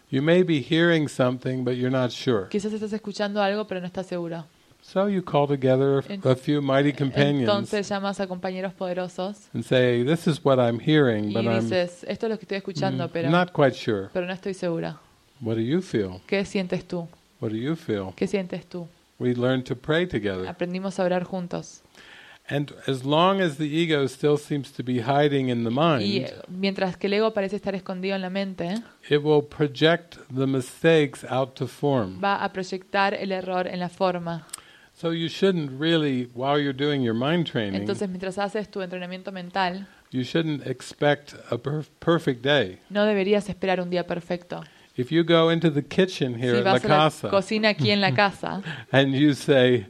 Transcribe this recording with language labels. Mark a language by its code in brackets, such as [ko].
[en] You may be hearing something but you're not sure. [es] Quizás estás escuchando algo pero no estás seguro. [en] So you call together a few mighty companions. [es] Entonces llamas a compañeros poderosos. [en] And say, this is what I'm hearing, but [es] y dices, esto es lo que estoy escuchando, pero [en] not quite sure. [es] Pero no estoy segura. [en] What do you feel? [es] ¿Qué sientes tú? [en] What do you feel? [es] ¿Qué sientes tú? [en] We learn to pray together. [es] Aprendimos a orar juntos. [en] And as long as the ego still seems to be hiding in the mind, [es] y mientras que el ego parece estar escondido en la mente, [en] it will project the mistakes out to form. [es] Va a proyectar el error en la forma. [en] So you shouldn't really, while you're doing your mind training, [es] entonces mientras haces tu entrenamiento mental, [en] you shouldn't expect a perfect day. [es] No deberías esperar un día perfecto. [en] If you go into the kitchen here [es] si [en] at [es] la casa, cocina aquí en la casa, [en] and you say,